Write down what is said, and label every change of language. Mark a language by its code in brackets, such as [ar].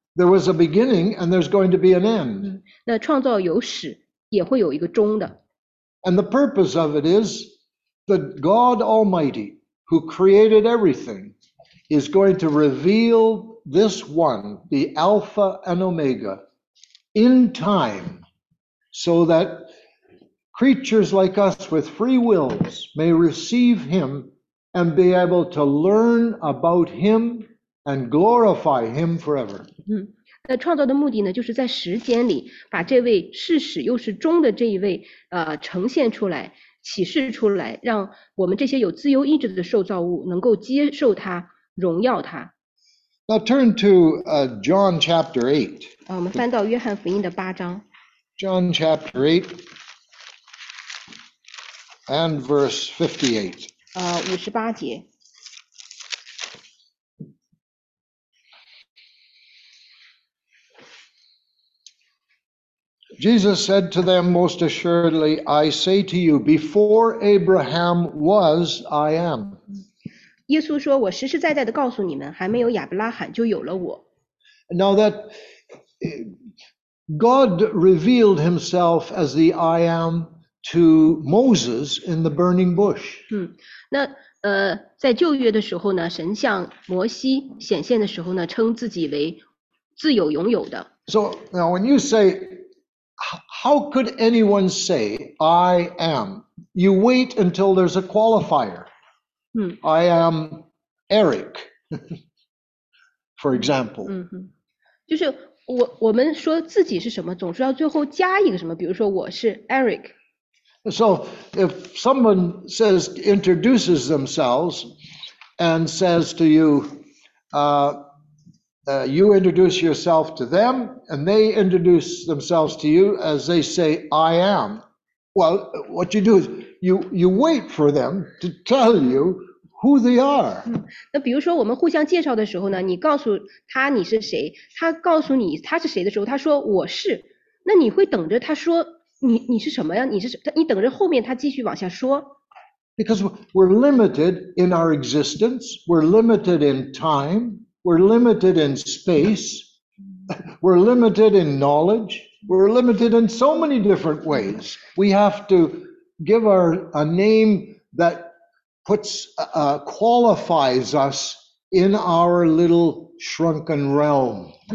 [en] There was a beginning, and there's going to be an end. [zh] 那创造有始，也会有一个终的。 [en] And the purpose of it is that God Almighty, who created everything, is going to reveal this one, the Alpha and Omega, in time, so that creatures like us with free wills may receive him and be able to learn about him and glorify him forever. [zh] 那创造的目的呢，就是在时间里把这位是始又是终的这一位呈现出来，启示出来，让我们这些有自由意志的受造物能够接受它，荣耀它。 [en] Now turn to John chapter 8. [zh] 我们翻到约翰福音的八章。 [en] John chapter 8 and verse 58. [zh] 五十八节。 [en] Jesus said to them, Most assuredly, I say to you, before Abraham was, I am. [zh] 耶稣说，我实实在在地告诉你们，还没有亚伯拉罕就有了我。 [en] Now that God revealed himself as the I am to Moses in the burning bush. [zh] 那在旧约的时候呢，神向摩西显现的时候呢，称自己为自有永有的。 [en] So now when you say,How could anyone say, I am? You wait until there's a qualifier. I am Eric, for example. [zh] 就是我们说自己是什么，总是要最后加一个什么，比如说我是 Eric. [en] So if someone says, introduces themselves and says to you, you introduce yourself to them, and they introduce themselves to you as they say, I am. Well, what you do is you wait for them to tell you who they are. [zh] 那比如说我们互相介绍的时候呢，你告诉他你是谁，他告诉你他是谁的时候，他说我是，那你会等着他说你是什么呀？你等着后面他继续往下说。 [en] Because we're limited in our existence, we're limited in time,We're limited in space. We're limited in knowledge. We're limited in so many different ways. We have to give a name that qualifies us in our little shrunken realm.